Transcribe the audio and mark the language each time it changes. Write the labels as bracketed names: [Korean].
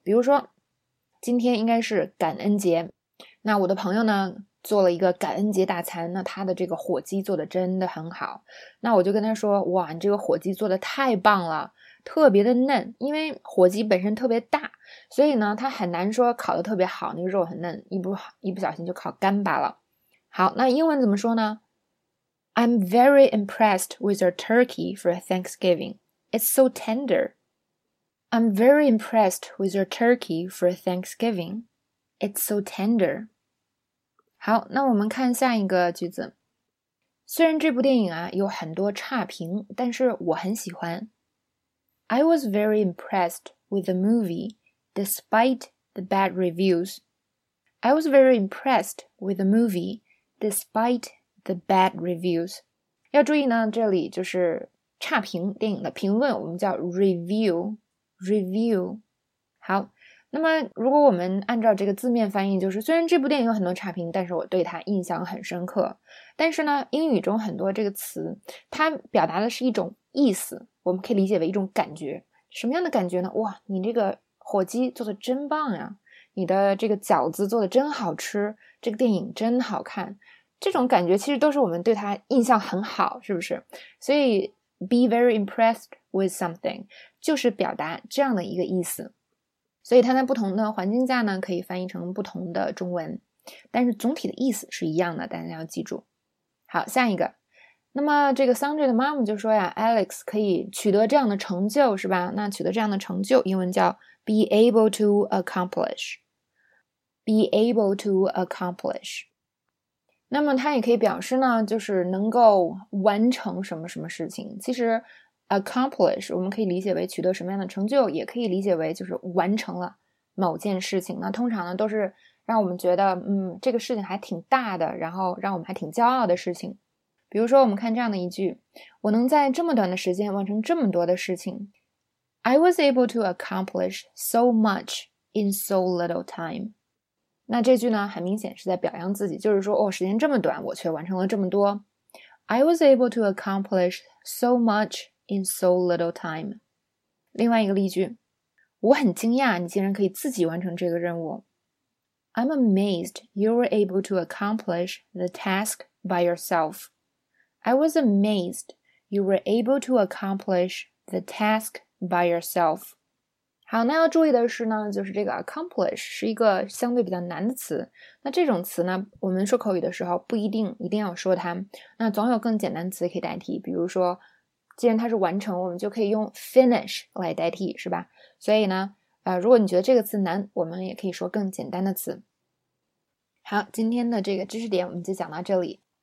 [Chinese] 比如说，今天应该是感恩节，那我的朋友呢做了一个感恩节大餐，那他的这个火鸡做得真的很好。那我就跟他说，哇，你这个火鸡做得太棒了，特别的嫩，因为火鸡本身特别大，所以呢，它很难说烤得特别好，那个肉很嫩，一不小心就烤干巴了。好，那英文怎么说呢？ [English] I'm very impressed with your turkey for Thanksgiving. It's so tender. I'm very impressed with your turkey for Thanksgiving. It's so tender. [Chinese] 好，那我们看下一个句子。虽然这部电影啊有很多差评，但是我很喜欢。 [English] I was very impressed with the movie, despite the bad reviews. I was very impressed with the movie, despite the bad reviews. [Chinese] 要注意呢，这里就是差评电影的评论，我们叫 review。好，那么如果我们按照这个字面翻译，就是虽然这部电影有很多差评，但是我对它印象很深刻。但是呢，英语中很多这个词，它表达的是一种意思。我们可以理解为一种感觉，什么样的感觉呢？哇，你这个火鸡做的真棒呀！你的这个饺子做的真好吃，这个电影真好看。这种感觉其实都是我们对它印象很好，是不是？所以 [English] be very impressed with something [Chinese] 就是表达这样的一个意思。所以它在不同的环境下呢，可以翻译成不同的中文，但是总体的意思是一样的，大家要记住。好，下一个。那么这个 Sandra 的妈妈就说呀，Alex 可以取得这样的成就，是吧？那取得这样的成就，英文叫 [English] be able to accomplish， [Chinese] be able to accomplish。那么它也可以表示呢，就是能够完成什么什么事情。其实 accomplish 我们可以理解为取得什么样的成就，也可以理解为就是完成了某件事情呢，通常呢都是让我们觉得，这个事情还挺大的，然后让我们还挺骄傲的事情。比如说，我们看这样的一句：“我能在这么短的时间完成这么多的事情。 [English] ”I was able to accomplish so much in so little time。 [Chinese] 那这句呢，很明显是在表扬自己，就是说，哦，时间这么短，我却完成了这么多。 [English] I was able to accomplish so much in so little time。 [Chinese] 另外一个例句。我很惊讶，你竟然可以自己完成这个任务。 [English] I'm amazed you were able to accomplish the task by yourself. I was amazed you were able to accomplish the task by yourself. [Chinese] 好，那要注意的是呢，就是这个 accomplish 是一个相对比较难的词。那这种词呢，我们说口语的时候不一定一定要说它，那总有更简单词可以代替，比如说。既然它是完成，我们就可以用 finish 来代替，是吧？所以呢，如果你觉得这个词难，我们也可以说更简单的词。好，今天的这个知识点我们就讲到这里。